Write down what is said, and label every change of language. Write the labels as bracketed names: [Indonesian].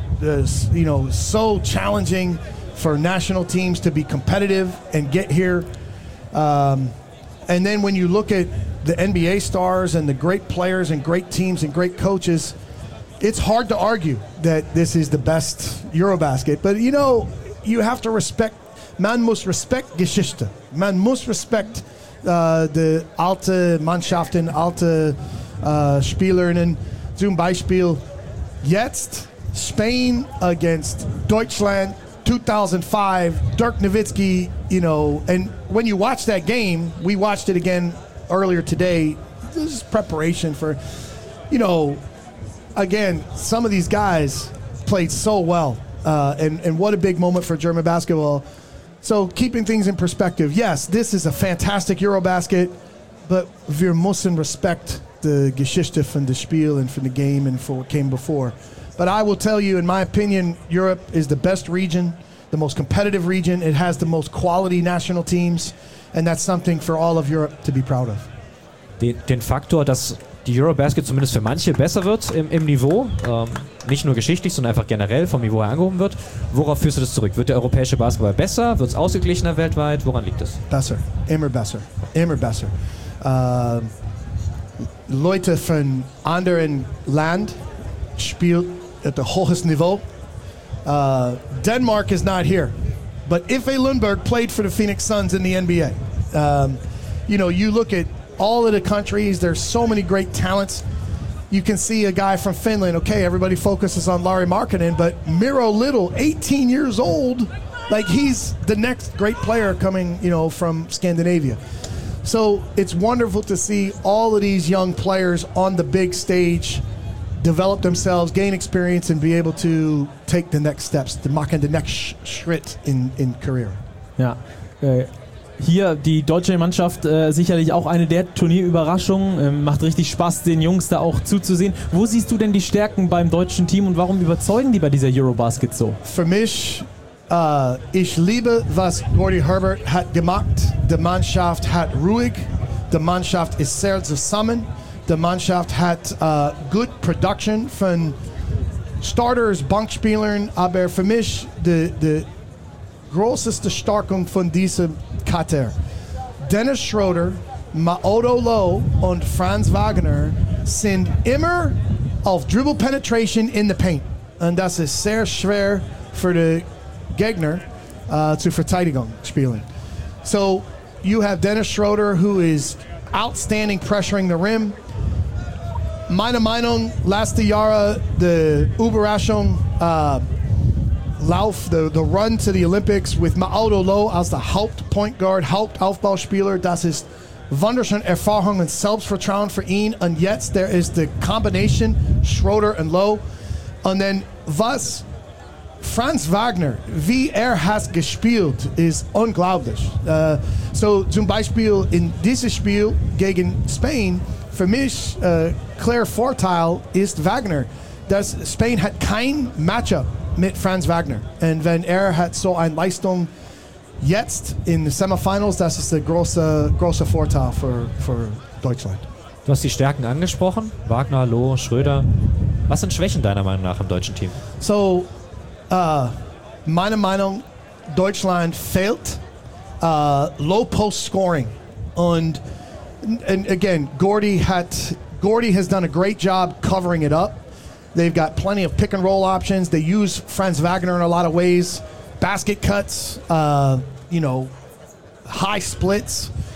[English] There's, you know, so challenging for national teams to be competitive and get here. And then when you look at the NBA stars and the great players and great teams and great coaches, it's hard to argue that this is the best Eurobasket. But, you know, you have to respect, [German] man muss respect Geschichte. Man muss [English] respect the [German] alte Mannschaften, alte Spielerinnen. Zum Beispiel, jetzt [English] Spain against Deutschland 2005, Dirk Nowitzki, you know, and when you watch that game, we watched it again earlier today. This is preparation for, you know, again, some of these guys played so well, and what a big moment for German basketball. So keeping things in perspective, yes, this is a fantastic Eurobasket, but [German] wir müssen [English] respect the [German] Geschichte von [English] the Spiel and from the game and for what came before. But I will tell you, in my opinion, Europe is the best region, the most competitive region. It has the most quality national teams. And that's something for all of Europe to be proud of. [German] Den Faktor, dass die Eurobasket zumindest für manche besser wird im Niveau, nicht nur geschichtlich, sondern einfach generell vom Niveau her angehoben wird, worauf führst du das zurück? Wird der europäische Basketball besser? Wird es ausgeglichener weltweit? Woran liegt das? Besser. Immer besser. Immer besser. Leute von anderen Land spielt [English] at the [German] hohest Niveau. [English] Denmark is not here. But Ife Lundberg played for the Phoenix Suns in the NBA. You know, you look at all of the countries, there's so many great talents. You can see a guy from Finland, okay, everybody focuses on Lauri Markkanen, but Miro Little, 18 years old, like he's the next great player coming, you know, from Scandinavia. So it's wonderful to see all of these young players on the big stage develop themselves, gain experience and be able to take the next steps, to machen the next Schritt in career. [German] Ja, hier die deutsche Mannschaft, sicherlich auch eine der Turnierüberraschungen. Macht richtig Spaß, den Jungs da auch zuzusehen. Wo siehst du denn die Stärken beim deutschen Team und warum überzeugen die bei dieser Eurobasket so? Für mich, ich liebe, was Gordy Herbert hat gemacht. Die Mannschaft hat ruhig. Die Mannschaft ist sehr zusammen. The Mannschaft [English] had good production from starters, [German] Bankspielern, aber für mich the grosseste Stärkung von diesem Kater. Dennis Schroeder, Maodo Lowe und Franz Wagner sind immer auf [English] dribble penetration in the paint. [German] Und das ist sehr schwer für die Gegner zu verteidigen spielen. [English] So you have Dennis Schroeder, who is outstanding pressuring the rim. [German] Meine Meinung, letzte Jahre, the Überraschung, Lauf, [English] the run to the Olympics [German] with Maodo Lowe as the Hauptpoint Guard, Hauptaufbauspieler, das ist wunderschön Erfahrung und Selbstvertrauen für ihn. Und jetzt, [English] there is the combination, Schroeder and Lowe. And then, [German] was Franz Wagner, wie hat gespielt, ist unglaublich. So, zum Beispiel, in diesem Spiel gegen Spain, für mich, Claire Vorteil ist Wagner. Das Spain hat kein Matchup mit Franz Wagner. Und wenn hat so ein Leistung jetzt in den Semifinals, das ist der große Vorteil für Deutschland. Du hast die Stärken angesprochen. Wagner, Loh, Schröder. Was sind Schwächen deiner Meinung nach im deutschen Team? So, meine Meinung, Deutschland fehlt [English] low post scoring. And again, Gordy has done a great job covering it up. They've got plenty of pick and roll options. They use Franz Wagner in a lot of ways. Basket cuts, high splits.